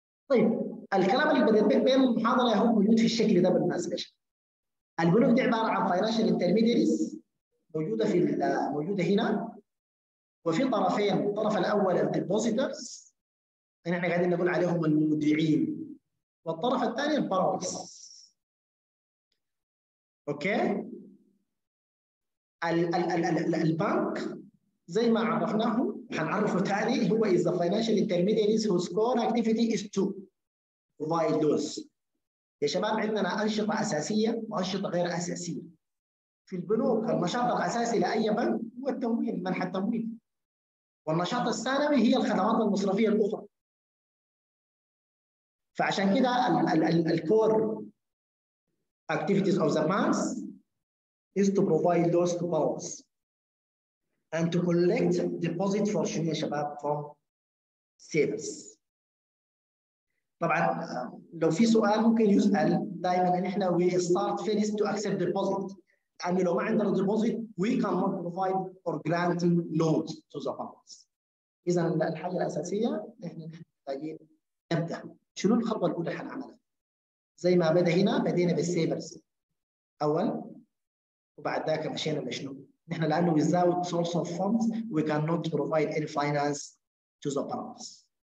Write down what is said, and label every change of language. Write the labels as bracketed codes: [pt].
[ar] طيب الكلام اللي بدأت بين المحاضرة هو موجود في الشكل ده بالمناسبة. البنوك دي عبارة عن فاينانشال انترميديريز موجودة هنا، وفي طرفين، الطرف الأول الديبوزيتورز نحن قاعدين نقول عليهم المودعين، والطرف الثاني البارونز. اوكي؟ البنك زي ما عرفناه هنعرفه تاني هو [en] is the financial intermediaries whose core activity is to provide those. [ar] يا شباب عندنا أنشطة أساسية وأنشطة غير أساسية في البنوك. النشاط الأساسي لأي بنك هو التمويل، منح التمويل، والنشاط الثانوي هي الخدمات المصرفية الأخرى. فعشان كده ال [en] core activities of the banks is to provide those to borrowers and to collect deposit for [ar] شنو يا شباب؟ [en] from savers. [ar] طبعا لو في سؤال ممكن يسأل دائما ان احنا [en] we start first to accept deposit، [ar] يعني لو ما عندنا [en] deposit we cannot provide or grant loans to the borrowers. [ar] اذا الحاجه الاساسيه احنا محتاجين نبدا شنو الخطوه الاولى حنعملها؟ زي ما بدا هنا بدينا بالسيفرز اول، وبعد ذاك مشينا لشنو؟ نحن لانه [en] without source of funds we cannot provide any finance to the borrowers.